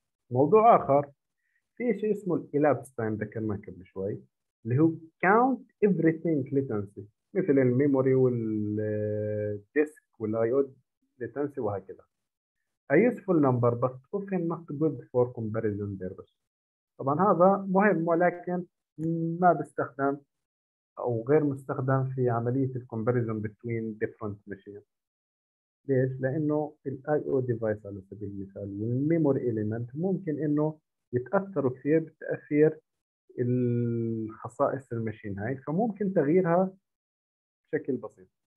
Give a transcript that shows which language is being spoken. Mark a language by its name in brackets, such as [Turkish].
[Arabic] موضوع آخر، في شيء اسمه elapsed time ذكرناه قبل شوي، اللي هو [English] count everything latency، [Arabic] مثل الميموري والديسك والIO latency وهكذا. [English] A useful number but often not good for comparison purposes. [Arabic] طبعا هذا مهم ولكن ما بيستخدم أو غير مستخدم في عملية [English] comparison between different machines. [Arabic] ليش؟ لأنه الـ I/O device على سبيل المثال والميموري element ممكن إنه يتأثروا كثير بتأثير الخصائص الماشين هاي، فممكن تغييرها بشكل بسيط.